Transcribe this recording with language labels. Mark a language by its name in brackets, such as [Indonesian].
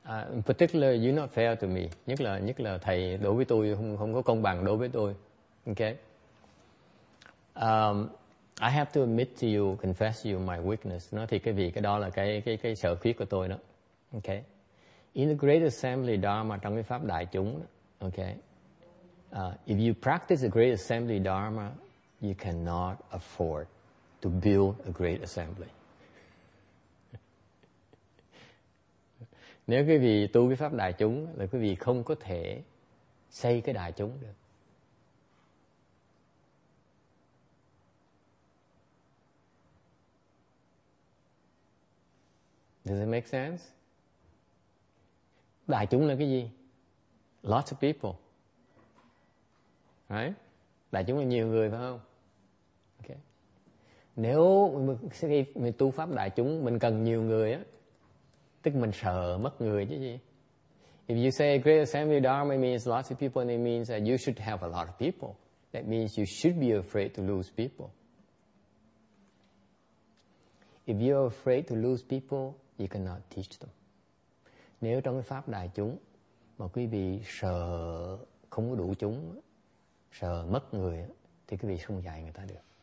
[English] In particular, you're not fair to me. [Vietnamese] Nhất là thầy đối với tôi không có công bằng đối với tôi. [English] Okay. I have to admit to you, confess to you my weakness. [Vietnamese] Nó thì cái vì cái đó là cái sở khuyết của tôi đó. [English] Okay. In the Great Assembly Dharma, [Vietnamese] trong cái pháp đại chúng, okay. [English] If you practice the Great Assembly Dharma, you cannot afford to build a Great Assembly. [Vietnamese] Nếu quý vị tu cái pháp đại chúng là quý vị không có thể xây cái đại chúng được. [English] Does it make sense? [Vietnamese] Đại chúng là cái gì? [English] Lots of people. Right? [Vietnamese] Đại chúng là nhiều người phải không? Okay. Nếu mình tu pháp đại chúng, mình cần nhiều người á, tức mình sợ mất người chứ gì. [English] If you say great assembly dharma means lots of people, and it means that you should have a lot of people. That means you should be afraid to lose people. If you are afraid to lose people, you cannot teach them. [Vietnamese] Nếu trong cái pháp đại chúng mà quý vị sợ không có đủ chúng, sợ mất người, thì quý vị không dạy người ta được.